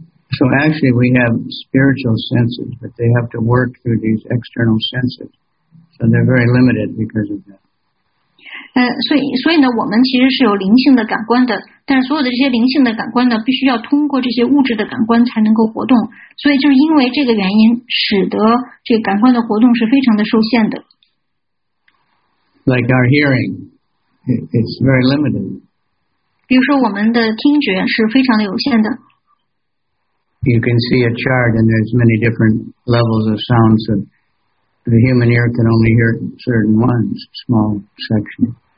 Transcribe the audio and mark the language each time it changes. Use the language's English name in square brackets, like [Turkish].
[English] So actually we have spiritual senses but they have to work through these external senses so they're very limited because of that [Chinese] 所以呢我们其实是有灵性的感官的但是所有的这些灵性的感官呢必须要通过这些物质的感官才能够活动所以就是因为这个原因使得这个感官的活动是非常的受限的 [English] Like our hearing, it's very limited. [Chinese] 比如说我们的听觉是非常的有限的。 [English] You can see a chart and there's many different levels of sounds that the human ear can only hear certain ones, small sections.